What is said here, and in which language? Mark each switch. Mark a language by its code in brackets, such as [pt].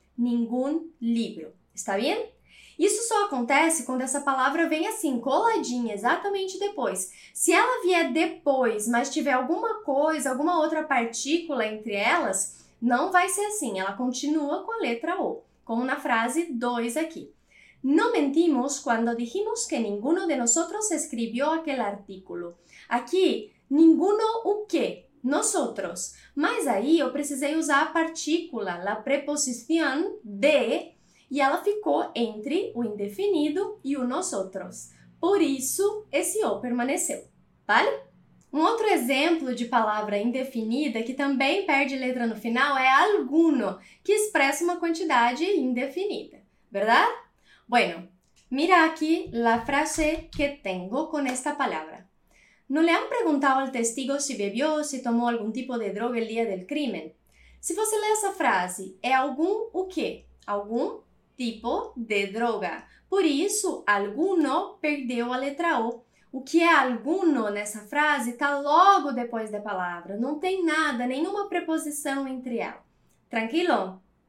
[es] Ningún libro. [pt] Está bem? Isso só acontece quando essa palavra vem assim, coladinha, exatamente depois. Se ela vier depois, mas tiver alguma coisa, alguma outra partícula entre elas, não vai ser assim, ela continua com a letra O. Como na frase 2 aqui. [es] No mentimos cuando dijimos que ninguno de nosotros escribió aquel artículo. [pt] Aqui, ninguno o quê? Nosotros. Mas aí eu precisei usar a partícula, [es] la preposición de, [pt] e ela ficou entre o indefinido e o nosotros. Por isso, esse O permaneceu, vale? Um outro exemplo de palavra indefinida que também perde letra no final é alguno, que expressa uma quantidade indefinida, verdade? [es] Bueno, mira aqui la frase que tengo con esta palabra. ¿No le han preguntado al testigo si bebió o si tomó algún tipo de droga el día del crimen? [pt] Si você lê essa frase, é algún o quê? [es] Algún tipo de droga. [pt] Por isso, alguno perdeu a letra O. O que é alguno nessa frase está logo depois da palavra. Não tem nada, nenhuma preposição entre ela. Tranquilo?